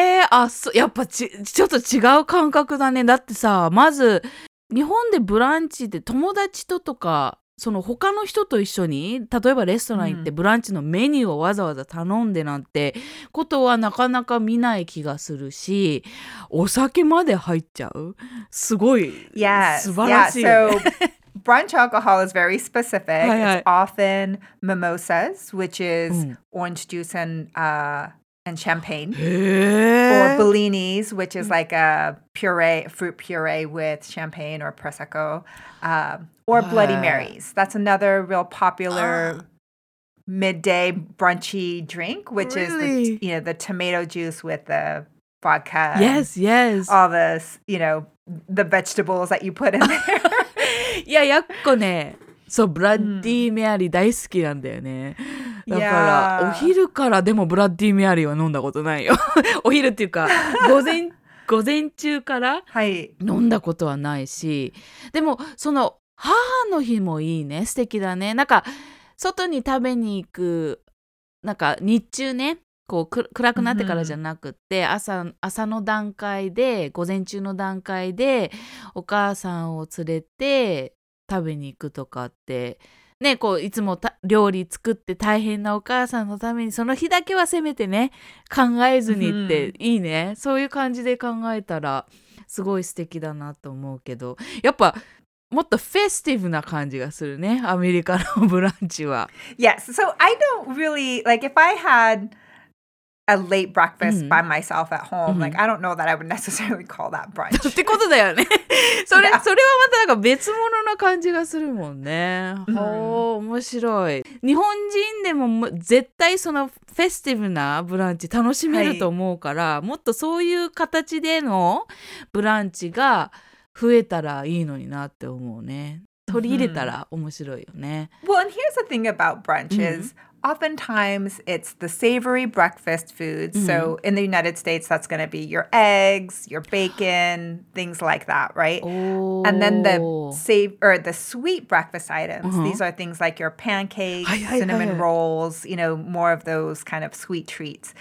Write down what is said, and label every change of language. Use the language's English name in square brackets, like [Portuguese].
[Japanese] あ、そう、やっぱちょっと違う感覚だね。だってさ、まず日本でブランチで友達ととか、その他の人と一緒に、例えばレストラン行ってブランチのメニューをわざわざ頼んでなんてことはなかなか見ない気がするし、お酒まで入っちゃう? すごい。 [English] Yes. [Japanese] 素晴らしい。 [English] Yeah. So, brunch alcohol is very specific. はい、はい、It's often mimosas, which is orange juice and champagne. Or bellinis, which is like a fruit puree with champagne or prosecco. Or Bloody Marys. That's another real popular midday brunchy drink, which really? Is the, you know, the tomato juice with the vodka. Yes, yes. All this, you know, the vegetables that you put in there. Yeah, yakko ne. So Bloody Mary [Japanese] 大好きなんだよね。だから、yeah. お昼からでもブラッディーメアリーは飲んだことないよ。お昼っていうか午前中から飲んだことはないし、はい、でもその母の日もいいね、素敵だね。なんか外に食べに行く、なんか日中ね、こう暗くなってからじゃなくって、うん、朝の段階で、午前中の段階でお母さんを連れて食べに行くとかって。ね、こういつも料理作って大変なお母さんのためにその日だけはせめてね考えずにっていいね、うん、そういう感じで考えたらすごい素敵だなと思うけど、やっぱもっとフェスティブな感じがするね、アメリカのブランチは。 [English] Yes, so I don't really like if I had a late breakfast、うん、by myself at home、うん、like I don't know that I would necessarily call that brunch [Japanese] ってことだよね。それ、yeah. それはまたなんか別物な感じがするもんね。おお、面白い。日本人でも絶対そのフェスティブなブランチ楽しめると思うから、はい、もっとそういう形でのブランチが増えたらいいのになって思うね。取り入れたら面白いよね。 [English] Well, and here's the thing about brunches.、うん、oftentimes it's the savory breakfast foods.、うん、so in the United States, that's going to be your eggs, your bacon, things like that, right? And then the sweet breakfast items.、Uh-huh. These are things like your pancakes, cinnamon rolls, you know, more of those kind of sweet treats.、